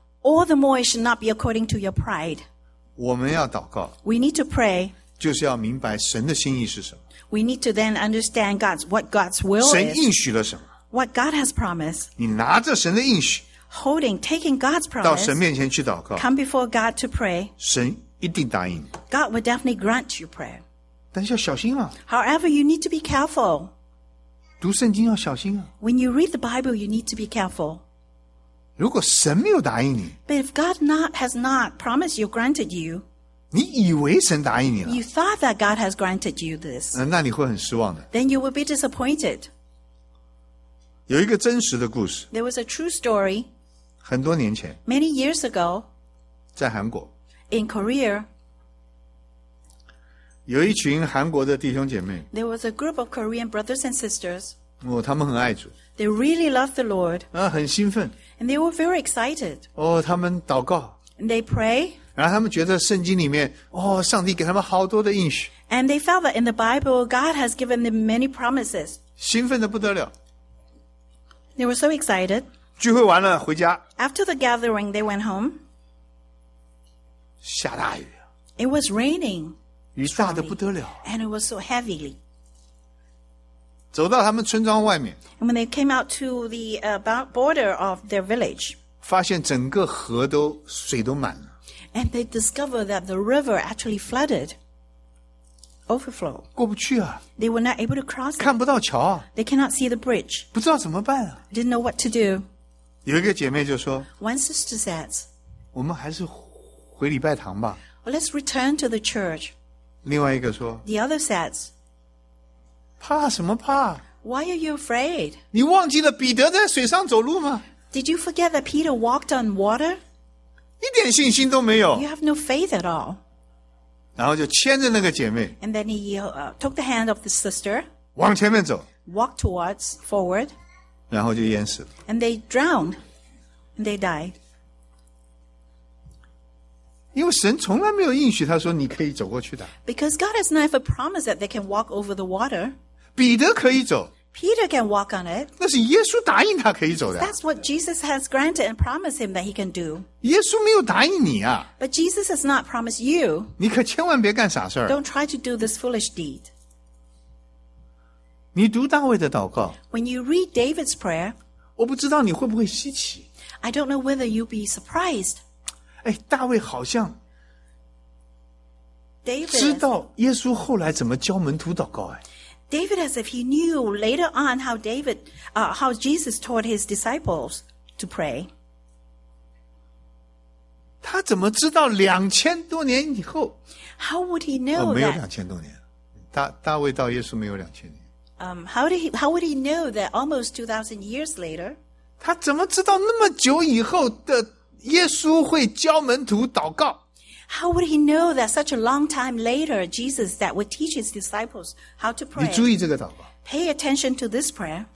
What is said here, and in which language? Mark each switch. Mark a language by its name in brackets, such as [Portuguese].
[English] All the more it should not be according to your pride. [Chinese] 我们要祷告 [English] We need to pray. [Chinese] 就是要明白神的心意是什么 [English] We need to then understand what God's will is. [Chinese] 神应许了什么 [English] What God has promised. [Chinese] 你拿着神的应许 [English] Holding, taking God's promise. [Chinese] 到神面前去祷告 [English] Come before God to pray. [Chinese] 神一定答应 [English] God will definitely grant you prayer. [Chinese] 但是要小心啊 [English] However, you need to be careful. [Chinese] 读圣经要小心啊 [English] When you read the Bible, you need to be careful. [Chinese] 如果神没有答应你 [English] But if God has not promised you, granted you. [Chinese] 你以为神答应你了 [English] You thought that God has granted you this. [Chinese] 那你会很失望的 [English] Then you will be disappointed. [Chinese] 有一个真实的故事 [English] There was a true story [Chinese] 很多年前 [English] Many years ago [Chinese] 在韩国 [English] In Korea [Chinese] 有一群韩国的弟兄姐妹 [English] There was a group of Korean brothers and sisters、 [Chinese] 哦、他们很爱主 [English] They really loved the Lord、 [Chinese] 啊、很兴奋 [English] And they were very excited、 [Chinese] 哦、他们祷告 [English] And they pray [Chinese] 然后他们觉得圣经里面、哦、上帝给他们好多的应许 [English] And they felt that in the Bible God has given them many promises [Chinese] 兴奋得不得了 [English] They were so excited. [Chinese] 聚会完了回家。 [English] After the gathering, they went home. [Chinese] 下大雨。 [English] It was raining. [Chinese] 雨大得不得了。 [English] And it was so heavily. [Chinese] 走到他们村庄外面。 [English] And when they came out to the border of their village. [Chinese] 发现整个河都水都满了。 [English] And they discovered that the river actually flooded. Overflow. [Chinese] 过不去啊。 [English] They were not able to cross it. [Chinese] 看不到桥。 [English] They cannot see the bridge. [Chinese] 不知道怎么办啊。 [English] Didn't know what to do. [Chinese] 有一个姐妹就说。 [English] One sister says. [Chinese] 我们还是回礼拜堂吧。 [English] Well, let's return to the church. [Chinese] 另外一个说。 [English] The other says. [Chinese] 怕什么怕 [English] Why are you afraid? [Chinese] 你忘记了彼得在水上走路吗 [English] Did you forget that Peter walked on water? [Chinese] 一点信心都没有。 [English] You have no faith at all. [Chinese] 然后就牵着那个姐妹 [English] And then he took the hand of the sister [Chinese] 往前面走 [English] Walked towards, forward [Chinese] 然后就淹死 [English] And they drowned And they died [Chinese] 因为神从来没有应许他说你可以走过去的 [English] Because God has never promised that they can walk over the water [Chinese] 彼得可以走 [English] Peter can walk on it [Chinese] 那是耶稣答应他可以走的 [English] That's what Jesus has granted and promised him that he can do [Chinese] 耶稣没有答应你啊 [English] But Jesus has not promised you [Chinese] 你可千万别干傻事 [English] Don't try to do this foolish deed [Chinese] 你读大卫的祷告 [English] When you read David's prayer [Chinese] 我不知道你会不会稀奇 [English] I don't know whether you'll be surprised [Chinese] 哎，大卫好像 [English] David, [Chinese] 知道耶稣后来怎么教门徒祷告、哎、 [English] David as if he knew later on how David,、how Jesus taught his disciples to pray. [Chinese] 他怎么知道两千多年以后 [English] How would he know that? [Chinese] 没有两千多年大卫到耶稣没有两千年、 [English] how would he know that almost 2,000 years later? [Chinese] 他怎么知道那么久以后的耶稣会教门徒祷告 [English] How would he know that such a long time later, Jesus that would teach his disciples how to pray? [Chinese] 你注意这个祷告。 [English] Pay attention to this prayer.